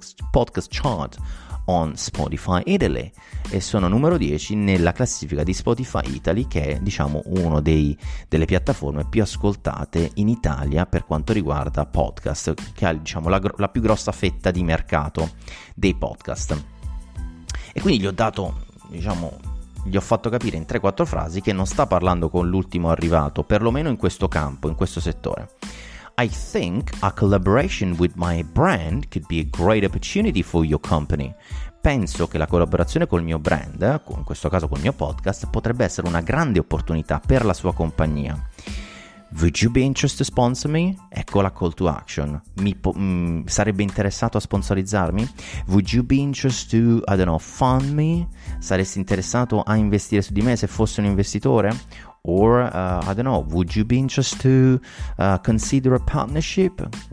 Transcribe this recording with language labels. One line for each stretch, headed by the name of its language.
English: podcast chart on Spotify Italy,
Italian: e sono numero 10 nella classifica di Spotify Italy, che è, diciamo, uno dei delle piattaforme più ascoltate in Italia per quanto riguarda podcast, che ha, diciamo, la più grossa fetta di mercato dei podcast. E quindi gli ho dato, diciamo, gli ho fatto capire in 3-4 frasi che non sta parlando con l'ultimo arrivato, perlomeno in questo campo, in questo settore.
English: I think a collaboration with my brand could be a great opportunity for your company.
Italian: Penso che la collaborazione col mio brand, in questo caso col mio podcast, potrebbe essere una grande opportunità per la sua compagnia.
English: Would you be interested to sponsor me?
Italian: Ecco la call to action. Sarebbe interessato a sponsorizzarmi?
English: Would you be interested to, I don't know, fund me?
Italian: Saresti interessato a investire su di me se fossi un investitore?
English: Or, I don't know, would you be interested to consider a partnership?